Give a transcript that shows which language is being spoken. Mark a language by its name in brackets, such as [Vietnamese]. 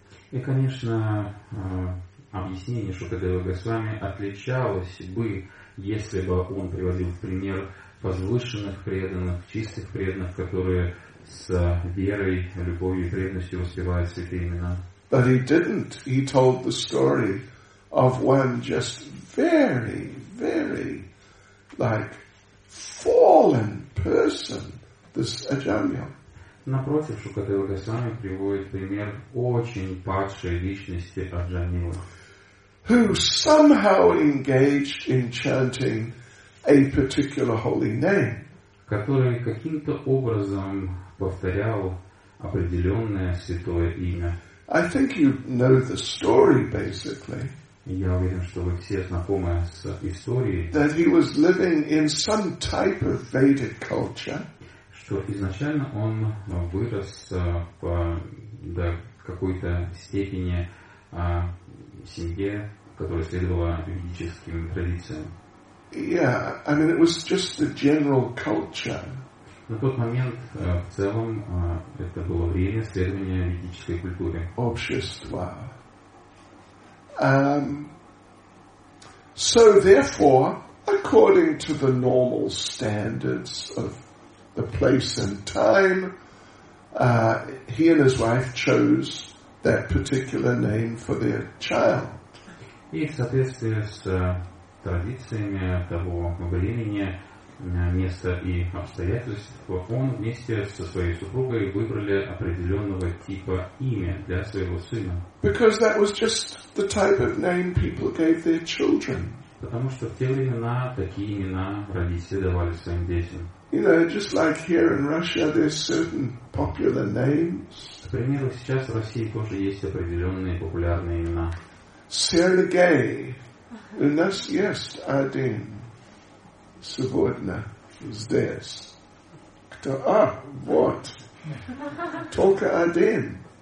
[Russian] И, конечно, объяснение Шукадева Госвами отличалось бы, если бы он приводил пример возвышенных преданных, чистых преданных, которые с верой, любовью и преданностью воспевают святые имена. [English] But he didn't. He told the story of one just very, very, like, fallen person, this Ajamil. [Russian] Напротив, Шукадева Госвами приводит пример очень падшей личности Аджамила, [English] who somehow engaged in chanting a particular holy name. [Russian] Который каким-то образом повторял определенное святое имя. [English] I think you know the story, basically. [Russian] Я уверен, что вы все знакомы с историей. [English] That he was living in some type of Vedic culture. [Russian] Что изначально он вырос по до какой-то степени семье, которая следовала ведическим традициям. [English] Yeah, I mean, it was just the general culture. [Russian] На тот момент в целом это было время следования ведической культуре. Общества. [English] So therefore, according to the normal standards of the place and time, he and his wife chose that particular name for their child. [Russian] И в соответствии с традициями того времени, места и обстоятельств, он вместе со своей супругой выбрали определенного типа имя для своего сына. [English] Because that was just the type of name people gave their children. [Russian] Потому что в те времена такие имена родители давали своим детям. [English] You know, just like here in Russia, there's certain popular names. [Russian] К примеру, сейчас в России тоже есть определенные популярные имена. Сергей. У нас есть один. Сегодня здесь. Кто? А, вот. Только один.